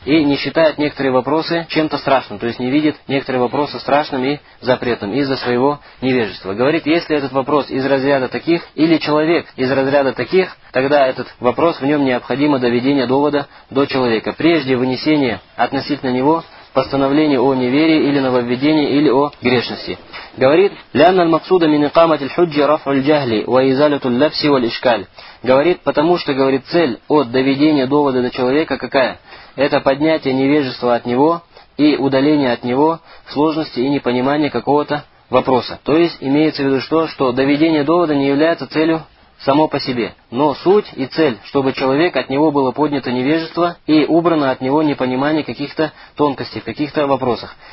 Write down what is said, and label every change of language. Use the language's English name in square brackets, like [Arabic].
[Russian] И не считает некоторые вопросы чем-то страшным, то есть не видит некоторые вопросы страшным и запретным из-за своего невежества. Говорит, если этот вопрос из разряда таких, или человек из разряда таких, тогда этот вопрос, в нем необходимо доведение довода до человека. Прежде вынесения относительно него постановление о неверии или нововведении или о грешности. Говорит, [Arabic] لَأَنَّ الْمَقْصُودَ مِنْ إِقَامَةِ الْحُجِّ رَفْعُ الْجَهْلِ وَإِزَالَةُ اللَّبْسِ وَالْإِشْكَالِ. [Russian] Говорит, потому что, говорит, цель от доведения довода до человека какая? Это поднятие невежества от него и удаление от него сложности и непонимания какого-то вопроса. То есть имеется в виду то, что доведение довода не является целью само по себе. Но суть и цель, чтобы человек, от него было поднято невежество и убрано от него непонимание каких-то тонкостей, в каких-то вопросах.